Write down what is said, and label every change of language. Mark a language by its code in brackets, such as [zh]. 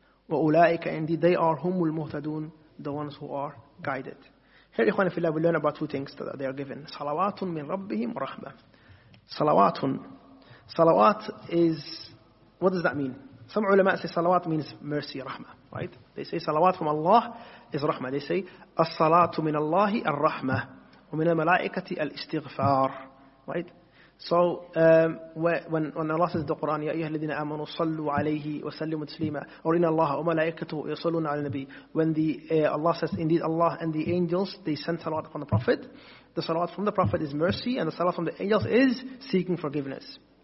[ar] وَأُولَٰئِكَ [en] indeed they are [ar] هُمُ الْمُهْتَدُونَ, [en] the ones who are guided. Here, [ar] إخوان في الله, [en] we learn about two things that they are given. [ar] صَلَوَاتٌ مِنْ رَبِّهِمْ وَرَحْمَةٌ. صَلَوَاتٌ. [en] صَلَوَات is, what does that mean? Some ulama say salawat means mercy, rahmah, right? They say salawat from Allah is rahmah. They say, [ar] الصَّلَاتُ مِنَ اللَّهِ الرَّحْمَةُ وَمِنَ الْمَلَائِكَةِ الْإِسْتِغْفَارُ, [en] right? So when Allah says the Quran, [ar] يَا أَيُّهَا الَّذِينَ آمَنُوا صَلُّوا عَلَيْهِ وَسَلِّمُوا تَسْلِيمًا [en] or [ar] إِنَّ اللَّهَ وَمَلَائِكَتُهُ يَصَلُّونَ عَلَى النَّبِيِّ, [en] when the Allah says, indeed Allah and the angels, they send salawat upon the Prophet, the salawat from the Prophet is mercy, and the salawat from the angels is seeking forgiveness.